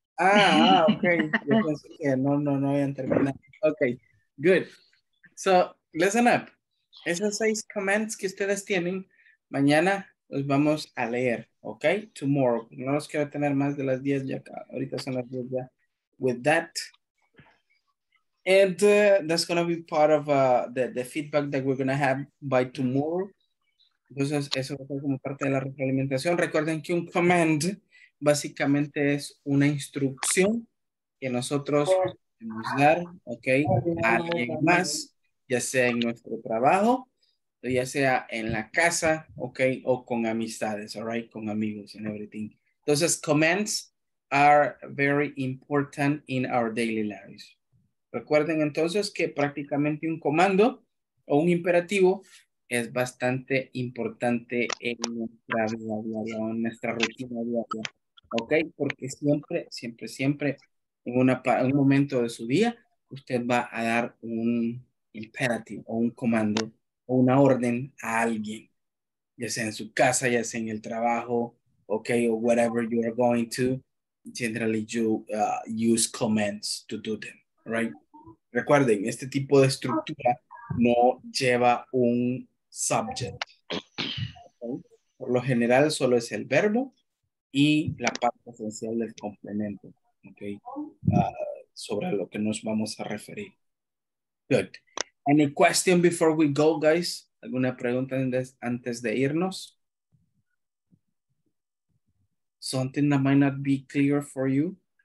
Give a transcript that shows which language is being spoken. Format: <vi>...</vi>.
<es>Ah, ok. No habían terminado.</es> <en>Ok, good. So, listen up.</en> <es>Esos seis comments que ustedes tienen, mañana los vamos a leer, ok?</es> <en>Tomorrow.</en> <es>No los quiero tener más de las 10 ya. Ahorita son las 10 ya.</es> <en>With that. And that's going to be part of the feedback that we're going to have by tomorrow.</en> <es>Entonces, eso va a ser como parte de la retroalimentación. Recuerden que un command básicamente es una instrucción que nosotros podemos dar, okay, a alguien más, ya sea en nuestro trabajo, ya sea en la casa, okay, o con amistades,</es> <en>all right,</en> <es>con amigos</es> <en>and everything. Entonces, commands are very important in our daily lives.</en> <es>Recuerden entonces que prácticamente un comando o un imperativo es bastante importante en nuestra vida diaria, en nuestra rutina diaria, ¿ok? Porque siempre, siempre, siempre, en un momento de su día, usted va a dar un imperativo o un comando o una orden a alguien, ya sea en su casa, ya sea en el trabajo, ¿ok?</es> <en>O whatever you are going to, generally you use commands to do them. Right.</en> <es>Recuerden, este tipo de estructura no lleva un subject. Okay. Por lo general, solo es el verbo y la parte esencial del complemento. Okay. Sobre lo que nos vamos a referir.</es> <en>Good. Any question before we go, guys?</en> <es>¿Alguna pregunta antes de irnos?</es> <en>something that might not be clear for you.</en>